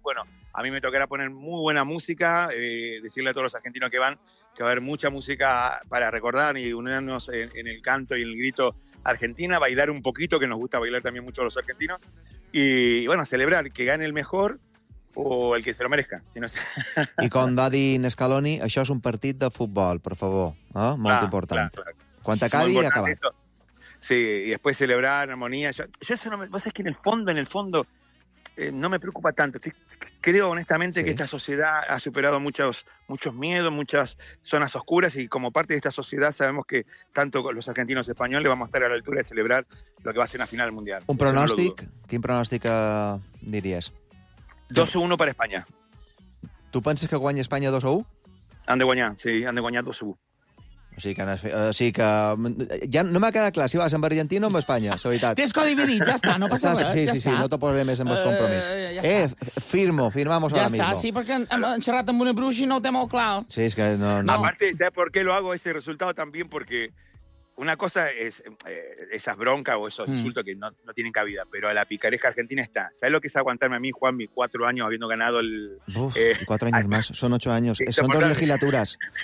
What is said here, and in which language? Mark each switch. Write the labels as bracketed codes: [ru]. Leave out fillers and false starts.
[es] Bueno, a mí me tocará poner muy buena música, decirle a todos los argentinos que van que va a haber mucha música para recordar y unirnos en el canto y en el grito argentina, bailar un poquito, que nos gusta bailar también mucho los argentinos. Y bueno, celebrar que gane el mejor. O el que se lo merezca. Si no es... [ca] I com va dir Nescaloni, això és un partit de futbol, per favor. Molt important. Quan t'acabi, acaba. Sí, i després celebrar en harmonia. [es] En el fondo, no me preocupa tanto. Creo honestamente que esta sociedad ha superado muchos miedos, muchas zonas oscuras, y como parte de esta sociedad sabemos que tanto los argentinos y españoles vamos a estar a la altura de celebrar lo que va a ser una final mundial. [ca] Un pronòstic? No, quin pronòstic diries? 2-1 per Espanya. Tu penses que guanya Espanya 2-1? Han de guanyar, sí, han de guanyar 2-1. O sigui que, ja no m'ha quedat clar si vas amb Argentina o amb Espanya, la veritat. Tens codi dividit, ja està, no passa res. Sí, ja sí, està. Sí, no te posaré més amb els compromís. Ja està. [es] Firmamos [ca] ja [es] ara mismo. [ca] Ja està, sí, perquè hem xerrat amb una bruixa i no ho té molt clar. Sí, és que no... no. [es] Aparte, ¿sabes por qué lo hago ese resultado también? Porque una cosa es esas broncas o esos insultos que no tienen cabida, pero a la picaresca argentina está. ¿Sabes lo que es aguantarme a mí, Juanmi, 4 años habiendo ganado el... cuatro años más, son 8 años, sí, son 2 legislaturas.